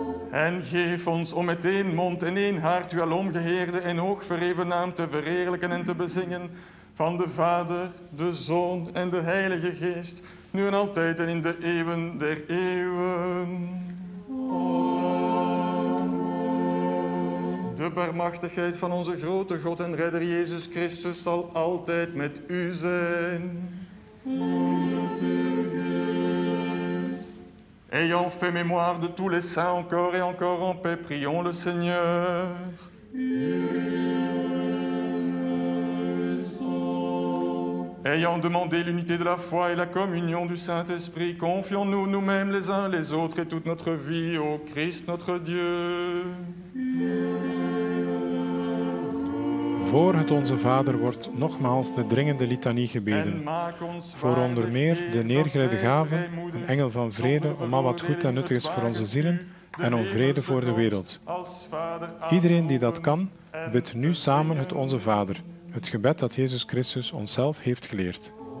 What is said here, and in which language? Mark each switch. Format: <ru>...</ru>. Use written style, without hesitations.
<nl>En geef ons om met één mond en één hart uw alomgeheerde en hoogverheven naam te verheerlijken en te bezingen van de Vader, de Zoon en de Heilige Geest, nu en altijd en in de eeuwen der eeuwen. Amen. De barmhartigheid van onze grote God en Redder Jezus Christus zal altijd met u zijn. Amen.</nl> <fr>Ayant fait mémoire de tous les saints encore et encore en paix, prions le Seigneur. Ayant demandé l'unité de la foi et la communion du Saint-Esprit, confions-nous nous-mêmes les uns les autres et toute notre vie au Christ notre Dieu.</fr> <nl>Voor het Onze Vader wordt nogmaals de dringende litanie gebeden. Voor onder meer de neergelegde gaven, een engel van vrede, om al wat goed en nuttig is voor onze zielen en om vrede voor de wereld. Iedereen die dat kan, bidt nu samen het Onze Vader, het gebed dat Jezus Christus onszelf heeft geleerd.</nl>